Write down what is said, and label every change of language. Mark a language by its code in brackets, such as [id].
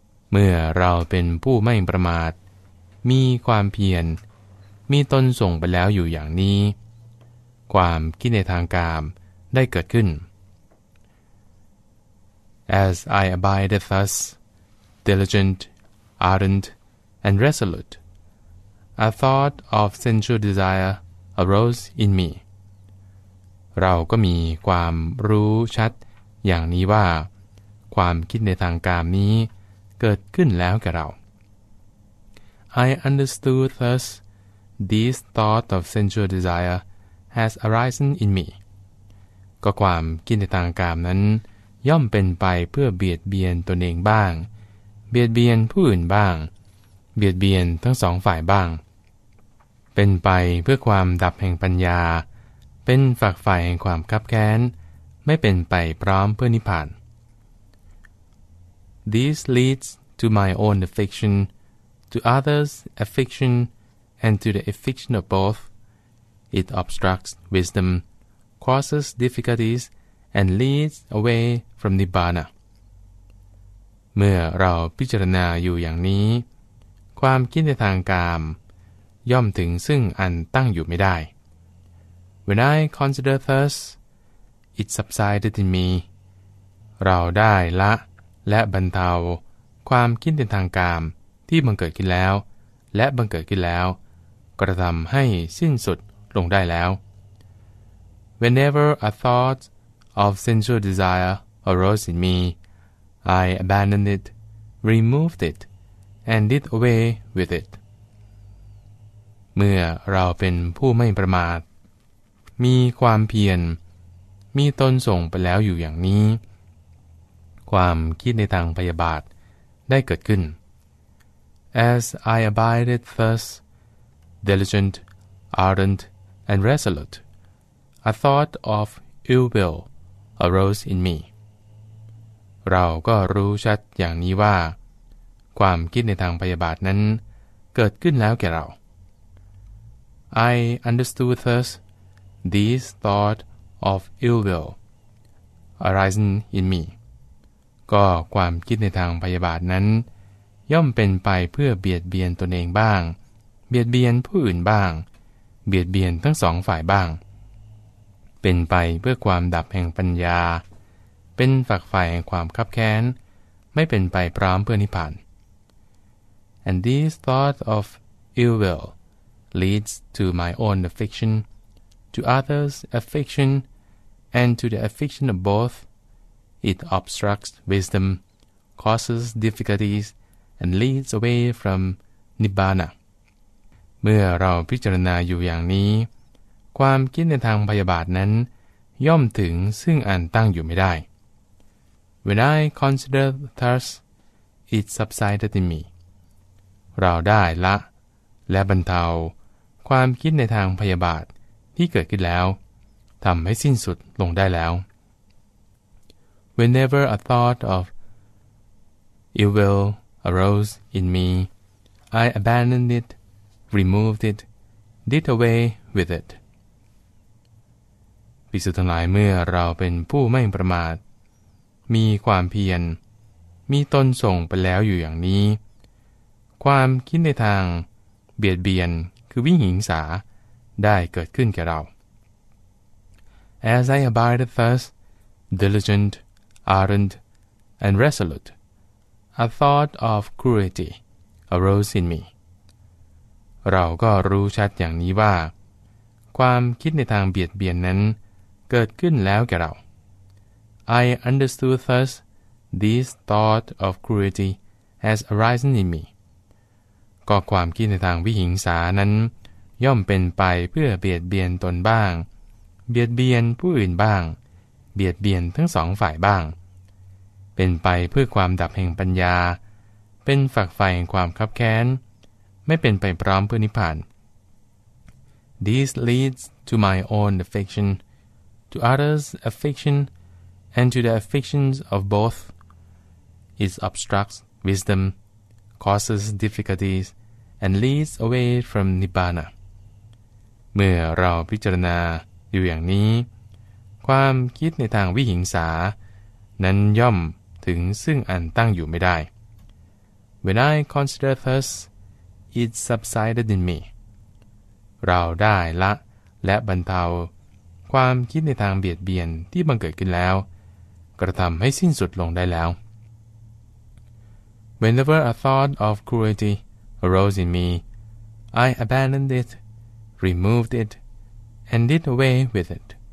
[th] เมื่อเราเป็นผู้ไม่ประมาทมีความเพียรมีตนส่งไปแล้วอยู่อย่างนี้ความคิดในทางกามได้เกิดขึ้น [en] As I abided thus, diligent, ardent, and resolute, a thought of sensual desire arose in me. [th] เราก็มีความรู้ชัดอย่างนี้ว่าความคิดในทางกามนี้เกิดขึ้นแล้วแก่เรา [en] I understood thus, this thought of sensual desire has arisen in me. [th] ก็ความคิดในทางกามนั้นย่อมเป็นไปเพื่อเบียดเบียนตนเองบ้างเบียดเบียนผู้อื่นบ้างเบียดเบียนทั้งสองฝ่ายบ้างเป็นไปเพื่อความดับแห่งปัญญาเป็นฝักฝ่ายแห่งความคับแค้นไม่เป็นไปพร้อมเพื่อนิพพาน [en] This leads to my own affliction, to others' affliction, and to the affliction of both. It obstructs wisdom, causes difficultiesand leads away from Nibbana. [th] เมื่อเราพิจารณาอยู่อย่างนี้ความคิดในทางกามย่อมถึงซึ่งอันตั้งอยู่ไม่ได้ [en] When I consider thus, it subsided in me. เ [th] ราได้ละและบรรเทาความคิดในทางกามที่บังเกิดขึ้นแล้วและบังเกิดขึ้นแล้วกระทำให้สิ้นสุดลงได้แล้ว [en] Whenever a thoughtof sensual desire arose in me, I abandoned it, removed it, and did away with it. [th] เมื่อเราเป็นผู้ไม่ประมาทมีความเพียรมีตนส่งไปแล้วอยู่อย่างนี้ความคิดในทางพยาบาทได้เกิดขึ้น [en] As I abided thus, diligent, ardent, and resolute, a thought of ill willarose in me. [th] เราก็รู้ชัดอย่างนี้ว่าความคิดในทางพยาบาทนั้นเกิดขึ้นแล้วแก่เรา [en] I understood thus, this thought of ill will, arisen in me [th] ก็ความคิดในทางพยาบาทนั้นย่อมเป็นไปเพื่อเบียดเบียนตนเองบ้างเบียดเบียนผู้อื่นบ้างเบียดเบียนทั้งสองฝ่ายบ้าง เป็นไปเพื่อความดับแห่งปัญญาเป็นฝักใฝ่แห่งความคับแค้นไม่เป็นไปพร้อมเพื่อนิพพาน [en] And these thoughts of ill will leads to my own affliction, to others' affliction, and to the affliction of both. It obstructs wisdom, causes difficulties, and leads away from Nibbana. [th] เมื่อเราพิจารณาอยู่อย่างนี้ความคิดในทางพยาบาทนั้นย่อมถึงซึ่งอันตั้งอยู่ไม่ได้ [en] When I consider thus, it subsided in me. [th] เราได้ละและบรรเทาความคิดในทางพยาบาทที่เกิดขึ้นแล้วทำให้สิ้นสุดลงได้แล้ว [en] Whenever a thought of ill will arose in me, I abandoned it, removed it, did away with it. [th] ภิกษุทั้งหลายเมื่อเราเป็นผู้ไม่ประมาทมีความเพียรมีตนส่งไปแล้วอยู่อย่างนี้ความคิดในทางเบียดเบียนคือวิหิงสาได้เกิดขึ้นแก่เรา [en] As I abided thus, diligent, ardent, and resolute, a thought of cruelty arose in me. [th] เราก็รู้ชัดอย่างนี้ว่าความคิดในทางเบียดเบียนนั้นเกิดขึ้นแล้วแก่เรา [en] I understood thus this thought of cruelty has arisen in me [th] ก็ความคิดในทางวิหิงสานั้นย่อมเป็นไปเพื่อเบียดเบียนตนบ้างเบียดเบียนผู้อื่นบ้างเบียดเบียนทั้งสองฝ่ายบ้างเป็นไปเพื่อความดับแห่งปัญญาเป็นฝักใฝ่แห่งความคับแค้นไม่เป็นไปพร้อมเพื่อนิพพาน [en] This leads to my own affectionTo others' affliction, and to the afflictions of both, it obstructs wisdom, causes difficulties, and leads away from Nibbana. [th] เมื่อเราพิจารณาอยู่อย่างนี้ความคิดในทางวิหิงสานั้นย่อมถึงซึ่งอันตั้งอยู่ไม่ได้ [en] When I consider thus, it subsided in me. [th] เราได้ละและบรรเทาความคิดในทางเบียดเบียนที่บังเกิดขึ้นแล้วกระทำให้สิ้นสุดลงได้แล้ว [en] Whenever a thought of cruelty arose in me, I abandoned it, removed it, and did away with it.